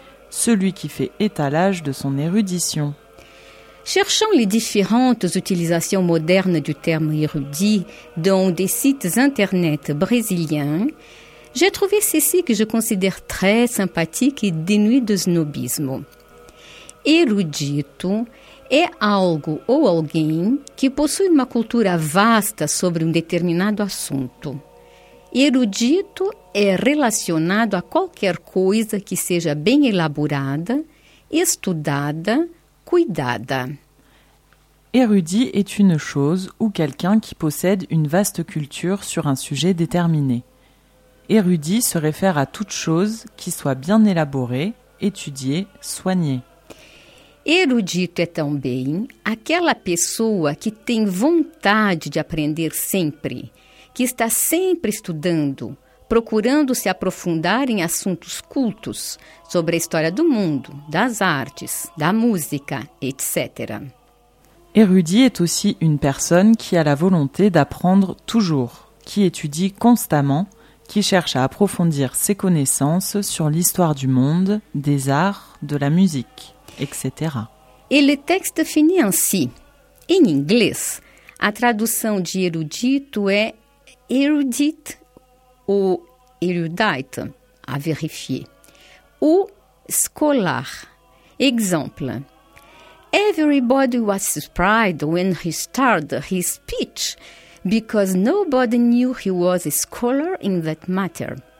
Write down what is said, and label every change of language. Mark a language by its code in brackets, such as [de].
[fr] celui qui fait étalage de son érudition. Cherchons les différentes utilisations modernes du terme érudit dans des sites internet brésiliens. J'ai trouvé ceci que je considère très sympathique et dénué de snobisme. [pt] Erudito é algo ou alguém que possui uma cultura vasta sobre um determinado assunto. Erudito é relacionado a qualquer coisa que seja bem elaborada, estudada, cuidada. [fr] Érudit est une chose ou quelqu'un qui possède une vaste culture sur un sujet déterminé. Érudit se réfère à toute chose qui soit bien élaborée, étudiée, soignée. [pt] Erudito é também aquela pessoa que tem vontade de aprender sempre, que está sempre estudando, procurando se aprofundar em assuntos cultos, sobre a história do mundo, das artes, da música, etc. [fr] Érudit est aussi une personne qui a la volonté d'apprendre toujours, qui étudie constamment, qui cherche à approfondir ses connaissances sur l'histoire du monde, des arts, de la musique, etc. Et le texte finit ainsi. En anglais, la traduction de erudito est erudite ou erudite, à vérifier, ou scholar. Exemple. [en] Everybody was surprised when he started his speech because nobody knew he was a scholar in that matter.